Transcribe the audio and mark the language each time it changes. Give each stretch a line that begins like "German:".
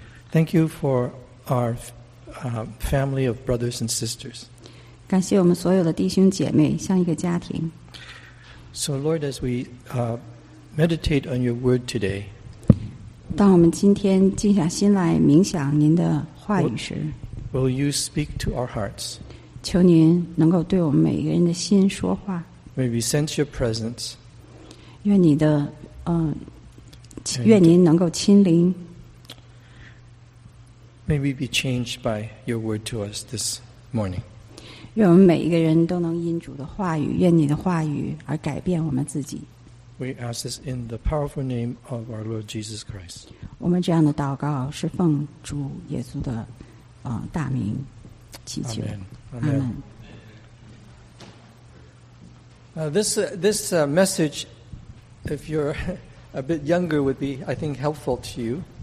English: Thank you for our family of brothers and sisters.
Chinese: 感谢我们所有的弟兄姐妹，像一个家庭。
English: So Lord, as we meditate on your word today,
Chinese: 当我们今天静下心来冥想您的话语时，
English: will you speak to our hearts?
Chinese: 求您能够对我们每个人的心说话。
English: May we sense your presence.
Chinese: 愿你的愿您能够亲临。
English: May we be changed by your word to us this morning.
Chinese: 愿我们每一个人都能因主的话语，愿你的话语而改变我们自己。
English: We ask this in the powerful name of our Lord Jesus Christ.
Chinese: 我们这样的祷告是奉主耶稣的大名祈求。
English: Amen. Amen. This message, if you're a bit younger, would be, I think, helpful to you.